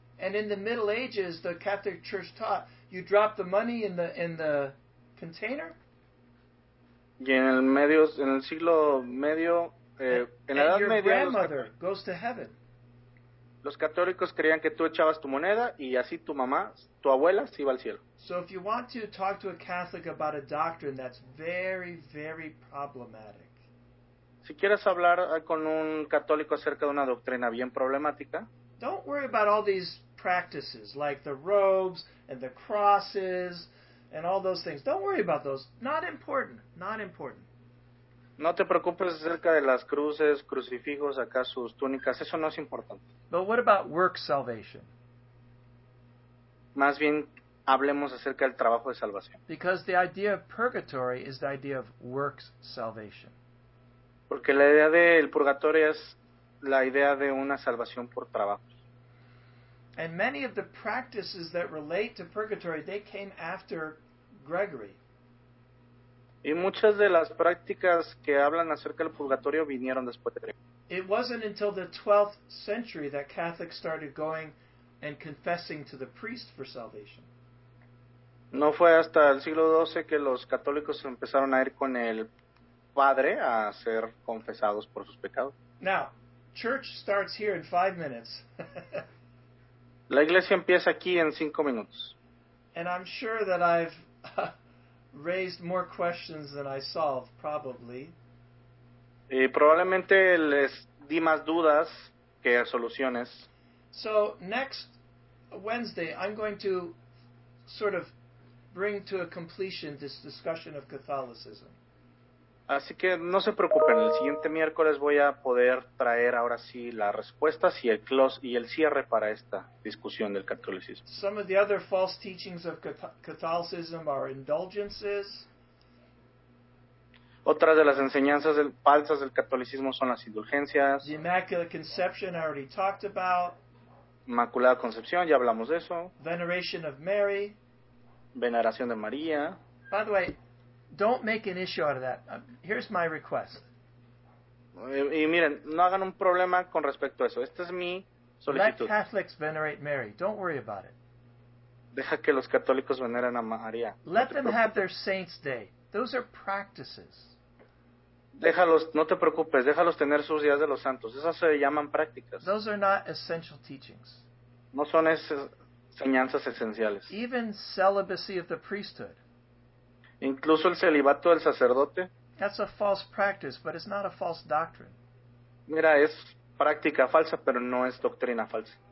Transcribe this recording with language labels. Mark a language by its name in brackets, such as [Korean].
[English] And in the Middle Ages, the Catholic Church taught you drop the money in the container. [Spanish] Y en el medio, en el siglo medio, en la Edad Media, [English] your grandmother goes to heaven. [Spanish] Los católicos creían que tú echabas tu moneda y así tu mamá, tu abuela, se iba al cielo. [English] So if you want to talk to a Catholic about a doctrine that's very, very problematic. [Spanish] Si quieres hablar con un católico acerca de una doctrina bien problemática, [English] don't worry about all these practices like the robes and the crosses and all those things. Don't worry about those. Not important. Not important. [Spanish] No te preocupes acerca de las cruces, crucifijos, acá sus túnicas. Eso no es importante. [English] But what about work salvation? [Spanish] Más bien hablemos acerca del trabajo de salvación. [English] Because the idea of purgatory is the idea of works salvation. [Spanish] Porque la idea del purgatorio es la idea de una salvación por trabajo. [English] And many of the practices that relate to purgatory, they came after Gregory. [Spanish] Y muchas de las prácticas que hablan acerca del purgatorio vinieron después de Gregory. [English] It wasn't until the 12th century that Catholics started going and confessing to the priest for salvation. [Spanish] No fue hasta el siglo XII que los católicos empezaron a ir con el Padre a ser confesados por sus pecados. [English] Now, church starts here in 5 minutes. [Spanish] La iglesia empieza aquí en 5 minutos. [English] And I'm sure that I've raised more questions than I solve, probably. [Spanish] Y probablemente les di más dudas que soluciones. [English] So, next Wednesday, I'm going to sort of bring to a completion this discussion of Catholicism. [Spanish] Así que no se preocupen, el siguiente miércoles voy a poder traer ahora sí las respuestas y el close y el cierre para esta discusión del catolicismo. [English] Some of the other false teachings of Catholicism are indulgences. [Spanish] Otras de las enseñanzas falsas del catolicismo son las indulgencias. [English] The Immaculate Conception, I already talked about. [Spanish] Inmaculada Concepción, ya hablamos de eso. [English] Veneration of Mary. [Spanish] Veneración de María. [English] By the way, don't make an issue out of that. Here's my request. [Spanish] Y miren, no hagan un problema con respecto a eso. Esta es mi solicitud. [English] Let Catholics venerate Mary. Don't worry about it. [Spanish] Deja que los católicos veneren a María. [English] Let them have their saint's day. Those are practices. [Spanish] Déjalos, no te preocupes. Déjalos tener sus días de los santos. Esas se llaman prácticas. [English] Those are not essential teachings. [Spanish] No son enseñanzas esenciales. [English] Even celibacy of the priesthood. [Spanish] Incluso el celibato del sacerdote. [English] That's a false practice, but it's not a false doctrine. [Spanish] Mira, es práctica falsa, pero no es doctrina falsa.